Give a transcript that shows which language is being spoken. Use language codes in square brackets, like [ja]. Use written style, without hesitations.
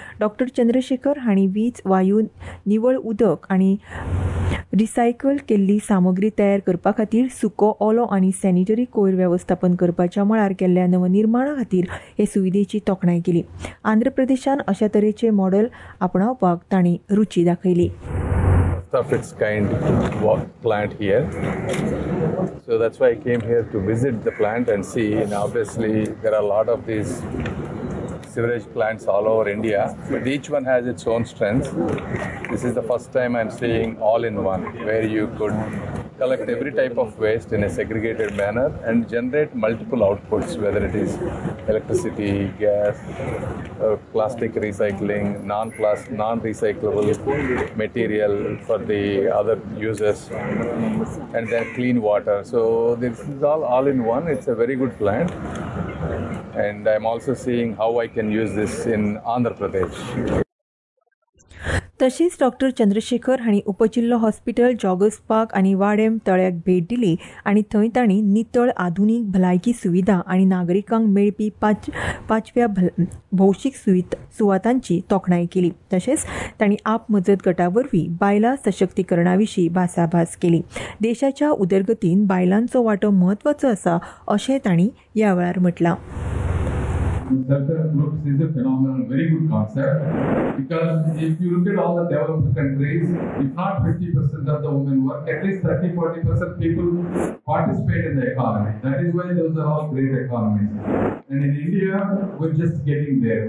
[gom] डॉ चंद्रशेखर हांणी वीज, वायू, निवळ उदक आणि रिसायकल केल्ली सामग्री तयार करपा खातीर सुको ओलो आणि सॅनिटरी कोयर व्यवस्थापन करपाच्या मळार केल्ल्या नवनिर्माणा खातीर हे सुविधेची तोखणाय केली. आंध्र प्रदेशान अशा तरेचे मॉडेल आपणावपाक ताणी रुची दाखयली. [en] Of its kind plant here, so that's why I came here to visit the plant and see. And obviously there are a lot of these sewerage plants all over India, but each one has its own strengths. This is the first time I'm seeing all in one, where you could collect every type of waste in a segregated manner and generate multiple outputs, whether it is electricity, gas, plastic recycling, non-recyclable material for the other users, and then clean water. So this is all in one. It's a very good plant, and I'm also seeing how I can use this in Andhra Pradesh. [gom] तशीच डॉ चंद्रशेखर हांणी उपजिल्लो hospital joggers park आणि वाडेम तळ्याक भेट दिली आणि थंय ताणी नितळ आधुनिक भलायकी सुविधा आणि नागरिकांक मेळपी पाचव्या भौशीक सुवातांची तोखणाय केली. तसेच ताणी आप मजत गटावरवी बायलां सशक्तीकरणाविशी भासाभास केली. देशाच्या उदरगतीन बायलांचो वाटो म्हत्वाचो असा अशें ताणी या वेळार म्हटलां. [en] Sarkar groups is a phenomenal, very good concept, because if you look at all the developed countries, if not 50% of the women work, at least 30-40% people participate in the economy. That is why those are all great economies. And in India, we're just getting there.